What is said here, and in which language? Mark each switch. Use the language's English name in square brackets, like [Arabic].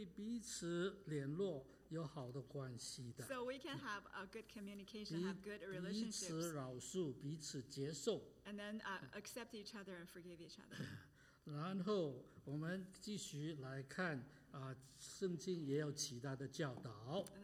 [Chinese] 所以弟兄姐妹，我们可以彼此联络，有好的关系的。 [English] So we can have a good communication, have good relationships. [Chinese] 彼此饶恕，彼此接受。 [English] And then accept each other and forgive each other. [Chinese] 然后我们继续来看，圣经也有其他的教导。 [English] And